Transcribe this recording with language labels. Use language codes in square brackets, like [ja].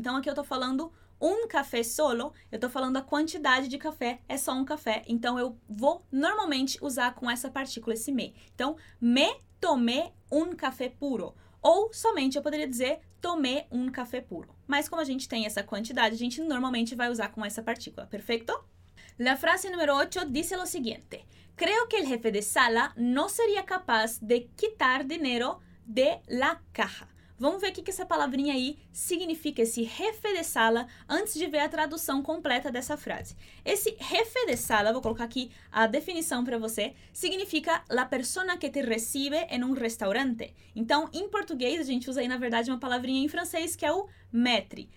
[pt] Então, aqui eu estou falando um café solo, eu estou falando a quantidade de café, é só um café. Então, eu vou normalmente usar com essa partícula, esse me. [es] Então, me tomé un café puro. [pt] Ou somente eu poderia dizer [es] tomé un café puro. [pt] Mas como a gente tem essa quantidade, a gente normalmente vai usar com essa partícula, perfeito? [es] La frase número 8 dice lo siguiente: creo que el jefe de sala no sería capaz de quitar dinero de la caja. [pt] Vamos ver o que essa palavrinha aí significa, esse jefe de sala, antes de ver a tradução completa dessa frase. Esse jefe de sala, vou colocar aqui a definição para você, significa [es] la persona que te recibe en un restaurante. [pt] Então, em português, a gente usa aí, na verdade, uma palavrinha em francês, que é o maître.